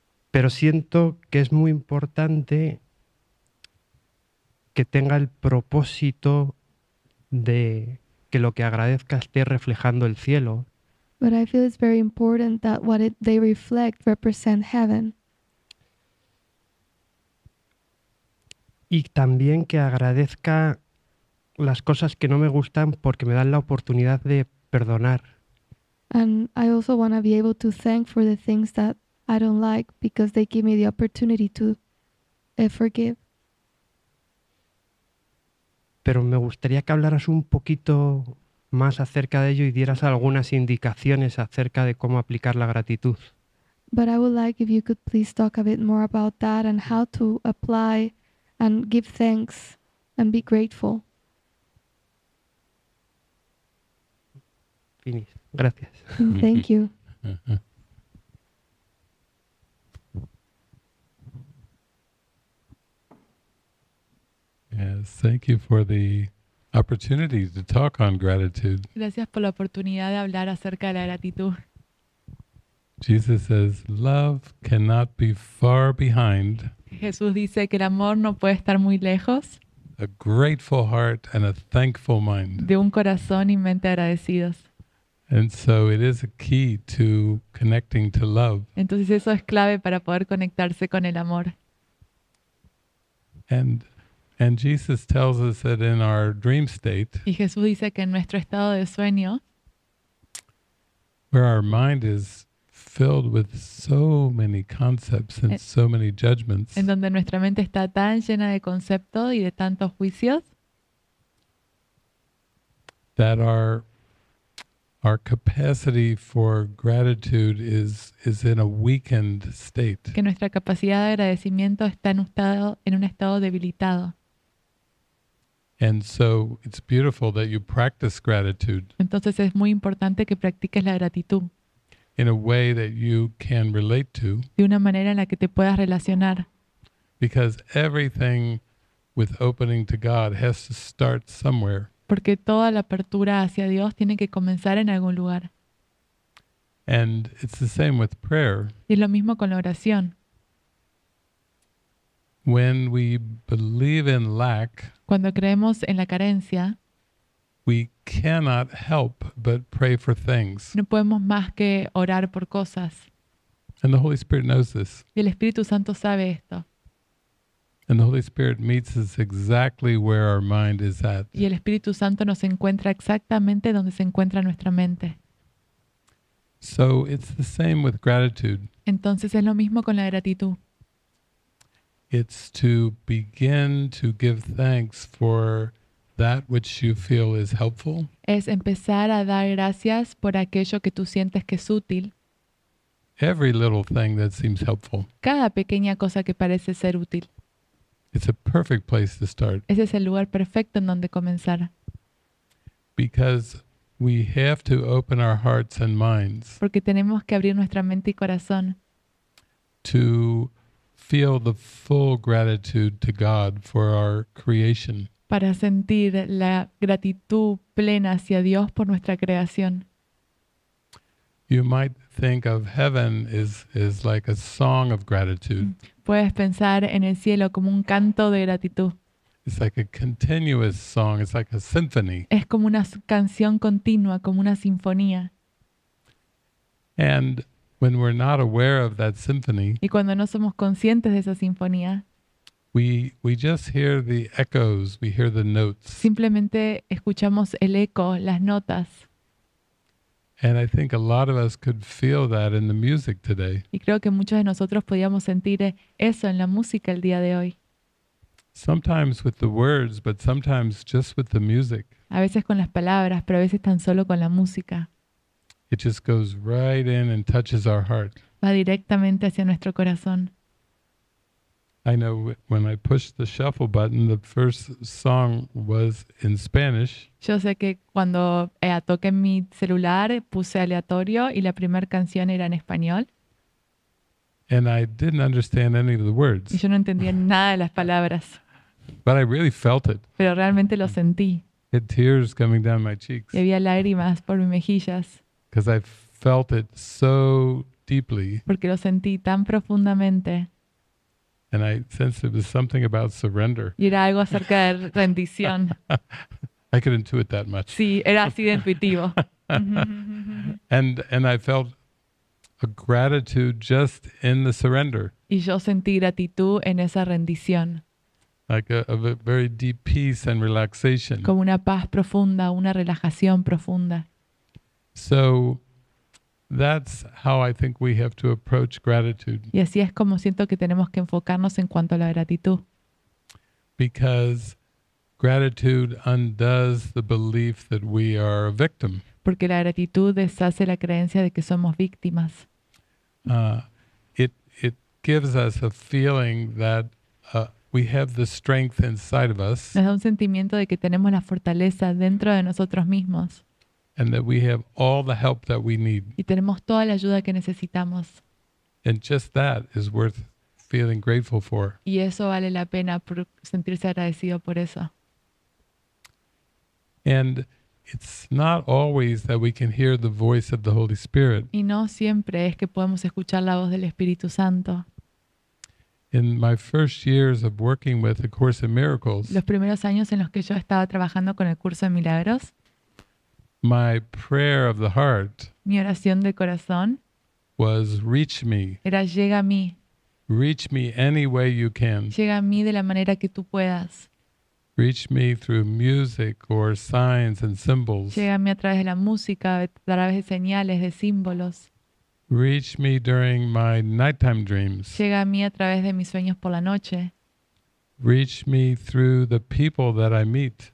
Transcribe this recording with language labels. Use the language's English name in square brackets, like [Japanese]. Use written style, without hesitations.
[Spanish] Pero siento que es muy importante que tenga el propósito de que lo que agradezca esté reflejando el cielo. [English] But I feel it's very important that what it, they reflect represent heaven. [Spanish] Y también que agradezca las cosas que no me gustan porque me dan la oportunidad de perdonar. [English] And I also want to be able to thank for the things that I don't like because they give me the opportunity to forgive. [Spanish] Pero me gustaría que hablaras un poquito más acerca de ello y dieras algunas indicaciones acerca de cómo aplicar la gratitud. [English] But I would like if you could please talk a bit more about that and how to apply and give thanks and be grateful. [Spanish] Finis. Gracias. [English] Thank you. Yes, thank you for the opportunity to talk on gratitude. [Spanish] Gracias por la oportunidad de hablar acerca de la gratitud. [English] Jesus says, love cannot be far behind. [Spanish] Jesús dice que el amor no puede estar muy lejos. [English] A grateful heart and a thankful mind. [Spanish] De un corazón y mente agradecidos. [English] And so it is a key to connecting to love. [Spanish] Entonces eso es clave para poder conectarse con el amor. [English] And Jesus tells us that in our dream state, [Spanish] y Jesús dice que en nuestro estado de sueño, [English] where our mind is filled with so many concepts and so many judgments, [Spanish] en donde nuestra mente está tan llena de conceptos y de tantos juicios, [English] that our capacity for gratitude is in a weakened state. [Spanish] Que nuestra capacidad de agradecimiento está en un estado debilitado. [English] And so it's beautiful that you practice gratitude. [Spanish] Entonces es muy importante que practiques la gratitud. [English] In a way that you can relate to. [Spanish] De una manera en la que te puedas relacionar. [English] Because everything with opening to God has to start somewhere. [Spanish] Porque toda la apertura hacia Dios tiene que comenzar en algún lugar. [English] And it's the same with prayer. [Spanish] Y es lo mismo con la oración. [English] When we believe in lack, [Spanish] cuando creemos en la carencia, [English] we cannot help but pray for things. [Spanish] No podemos más que orar por cosas. [English] And the Holy Spirit knows this. [Spanish] Y el Espíritu Santo sabe esto. [English] And the Holy Spirit meets us exactly where our mind is at. [Spanish] Y el Espíritu Santo nos encuentra exactamente donde se encuentra nuestra mente. [English] So it's the same with gratitude. [Spanish] Entonces es lo mismo con la gratitud. [English] It's to begin to give thanks for that which you feel is helpful. [Spanish] Es empezar a dar gracias por aquello que tú sientes que es útil. [English] Every little thing that seems helpful. [Spanish] Cada pequeña cosa que parece ser útil. [English] It's a perfect place to start. [Spanish] Ese es el lugar perfecto en donde comenzar. [English] Because we have to open our hearts and minds. [Spanish] Porque tenemos que abrir nuestra mente y corazón. [English] To feel the full gratitude to God for our creation. [Spanish] Para sentir la gratitud plena hacia Dios por nuestra creación. [English] You might think of heaven is like a song of gratitude. [Spanish] Puedes pensar en el cielo como un canto de gratitud. [English] It's like a continuous song, it's like a symphony. [Spanish] Es como una canción continua, como una sinfonía. [English] And when we're not aware of that symphony, [Spanish] y cuando no somos conscientes de esa sinfonía, [English] we just hear the echoes, we hear the notes. [Spanish] Simplemente escuchamos el eco, las notas. [English] And I think a lot of us could feel that in the music today. [Spanish] Y creo que muchos de nosotros podíamos sentir eso en la música el día de hoy. [English] Sometimes with the words, but sometimes just with the music. [Spanish] A veces con las palabras, pero a veces tan solo con la música. [English] It just goes right in and touches our heart. [Spanish] Va directamente hacia nuestro corazón. [English] I know when I pushed the shuffle button, the first song was in Spanish. [Spanish] Yo sé que cuando toqué mi celular, puse aleatorio y la primera canción era en español. [English] And I didn't understand any of the words. [Spanish] Y yo no entendía nada de las palabras. [English] But I really felt it. [Spanish] Pero realmente lo sentí. [English] Had tears coming down my cheeks. [Spanish] Y había lágrimas por mis mejillas. [English] Because I felt it so deeply. [Spanish] Porque lo sentí tan profundamente. [English] And I sensed it was something about surrender. [Spanish] Y era algo acerca de rendición. [English] I could intuit that much. [Spanish] Sí, era así de intuitivo. [English] And I felt a gratitude just in the surrender. [Spanish] Y yo sentí gratitud en esa rendición. [English] Like a very deep peace and relaxation. [Spanish] Como una paz profunda, una relajación profunda. [English] So that's how I think we have to approach gratitude. [Spanish] Y así es como siento que tenemos que enfocarnos en cuanto a la gratitud. [English] Because gratitude undoes the belief that we are a victim. [Spanish] Porque la gratitud deshace la creencia de que somos víctimas. [English] It gives us a feeling that we have the strength inside of us. [Spanish] Nos da un sentimiento de que tenemos la fortaleza dentro de nosotros mismos. [English] And that we have all the help that we need. [Spanish] Y tenemos toda la ayuda que necesitamos. [English] And just that is worth feeling grateful for. [Spanish] Y eso vale la pena por sentirse agradecido por eso. [English] And it's not always that we can hear the voice of the Holy Spirit. [Spanish] Y no siempre es que podemos escuchar la voz del Espíritu Santo. [English] In my first years of working with the Course in Miracles. [Spanish] Los primeros años en los que yo estaba trabajando con el curso de milagros. [English] My prayer of the heart. [Spanish] Mi oración de corazón. [English] Was reach me. [Spanish] Era llega a mí. [English] Reach me any way you can. [Spanish] Llega a mí de la manera que tú puedas. [English] Reach me through music or signs and symbols. [Spanish] Llega a mí a través de la música, a través de señales, de símbolos. [English] Reach me during my nighttime dreams. [Spanish] Llega a mí a través de mis sueños por la noche. [English] Reach me through the people that I meet.